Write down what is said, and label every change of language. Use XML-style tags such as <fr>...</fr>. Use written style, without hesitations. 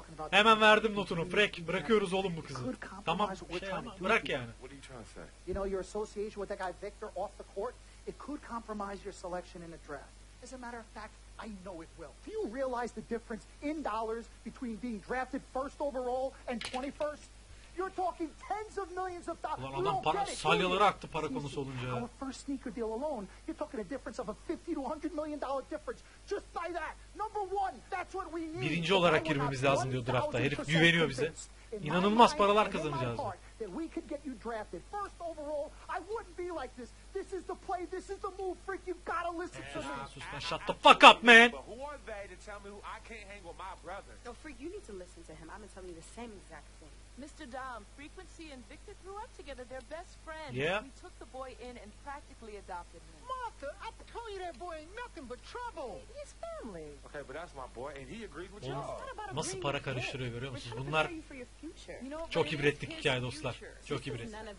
<tr>Hemen verdim notunu. Frank, bırakıyoruz oğlum bu kızı. Tamam, şey ama bırak yani.</tr> <en>You know, your association with that guy Victor off the court, it could compromise your selection in a draft. As a matter of fact, I know it will. Do you realize the difference in dollars between being drafted first overall and 21st? You're talking tens of millions of dollars.</en> <tr>Ulan adam para, salyaları aktı para konusu olunca.</tr> <en>Our first sneaker deal alone, you're talking a difference of a 50 to 100 million dollar difference. Just by that, number one, that's what we need.</en> <tr>Birinci olarak girmemiz lazım diyor draftta. Herif güveniyor bize. İnanılmaz paralar kazanacağız.</tr> <en>that we could get you drafted first overall, I wouldn't be like this. This is the play. This is the move, Frick. You've got to listen to me. Shut the fuck up, man. But who are they to tell me who I can't hang with my brother? No, Frick, you need to listen to him. I'm going to tell you the same exact thing. Mr. Dom, Frequency and Victor grew up together. They're best friends. Yeah. We took the boy in and practically adopted him. Martha, I tell you, that boy ain't nothing but trouble. He's family. Okay, but that's my boy, and he agrees with you.</en> <tr>Nasıl para karıştırıyor görüyor musunuz? Bunlar çok ibretlik hikaye dostlar. Çok ibretlik.</tr>